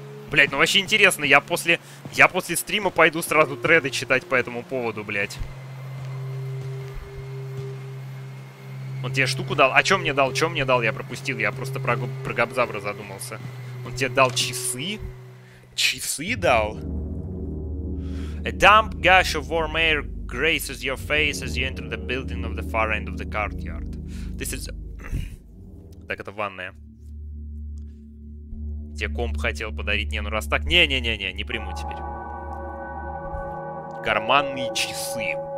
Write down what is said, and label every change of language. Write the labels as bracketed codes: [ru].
[ru] Блять, ну вообще интересно, я после стрима пойду сразу треды читать по этому поводу, блять. Он тебе штуку дал? А чё мне дал? Чё мне дал? Я пропустил, я просто про Габзавра задумался. Он тебе дал часы? Часы дал? [en] A damp gush of warm air graces your face as you enter the building of the far end of the courtyard. This is... [ru] Так, это ванная. Тебе комп хотел подарить. Не, ну раз так... Не-не-не-не, не приму теперь. Карманные часы.